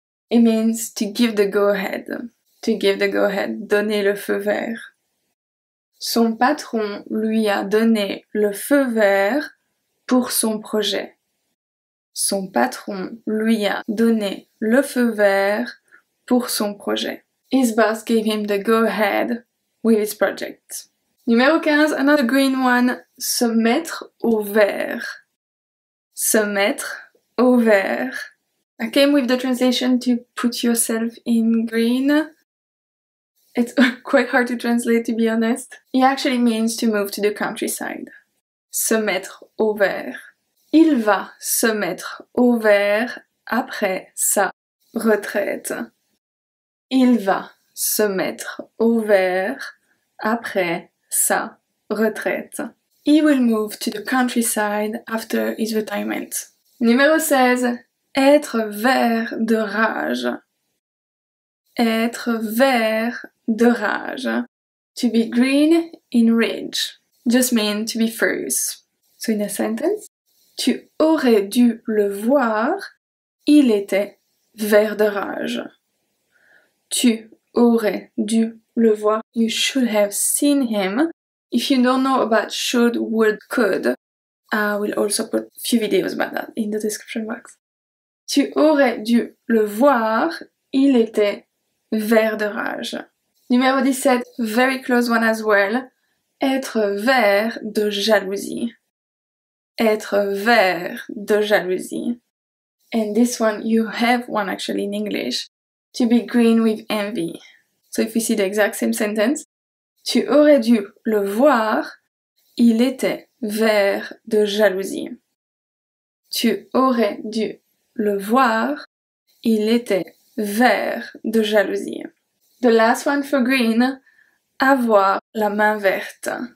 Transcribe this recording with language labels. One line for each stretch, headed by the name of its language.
English: It means to give the go-ahead. To give the go-ahead.
French: Donner le feu vert. Son patron lui a donné le feu vert pour son projet. Son patron lui a donné le feu vert pour son projet.
English: His boss gave him the go-ahead with his project.
French: Numéro 15,
English: another green one,
French: se mettre au vert. Se mettre au vert.
English: I came with the translation to put yourself in green. It's quite hard to translate, to be honest. It actually means to move to the countryside.
French: Se mettre au vert. Il va se mettre au vert après sa retraite. Il va se mettre au vert après sa retraite.
English: He will move to the countryside after his retirement.
French: Numéro 16. Être vert de rage. Être vert de rage.
English: To be green in rage. Just mean to be furious. So in a sentence,
French: tu aurais dû le voir, il était vert de rage. tu aurais dû le voir.
English: You should have seen him. If you don't know about should, would, could, I will also put a few videos about that in the description box.
French: Tu aurais dû le voir, il était vert de rage. Numéro 17,
English: very close one as well.
French: Être vert de jalousie. Être vert de jalousie.
English: And this one, you have one actually in English. To be green with envy. So if you see the exact same sentence.
French: Tu aurais dû le voir, il était vert de jalousie. Tu aurais dû le voir, il était vert de jalousie.
English: The last one for green,
French: avoir la main verte.